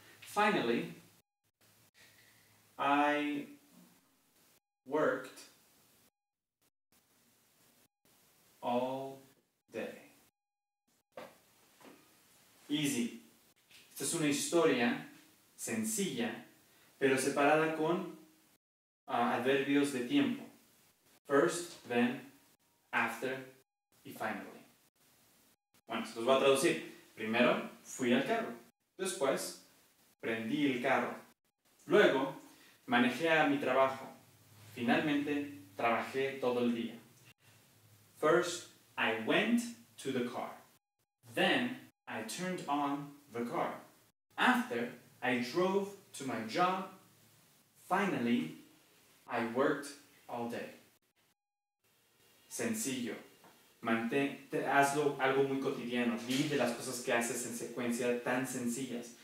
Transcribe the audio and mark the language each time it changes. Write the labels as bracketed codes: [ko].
[en] Finally, I worked all day. Easy. [es] Esta es una historia sencilla, pero separada con adverbios de tiempo. [en] First, then, after, y finally. [es] Bueno, se los voy a traducir. Primero, fui al carro. Después, prendí el carro. Luego, manejé a mi trabajo. Finalmente, trabajé todo el día. [en] First, I went to the car. Then, I turned on the car. After, I drove to my job. Finally, I worked all day. [es] Sencillo. Hazlo algo muy cotidiano. Divide las cosas que haces en secuencia tan sencillas.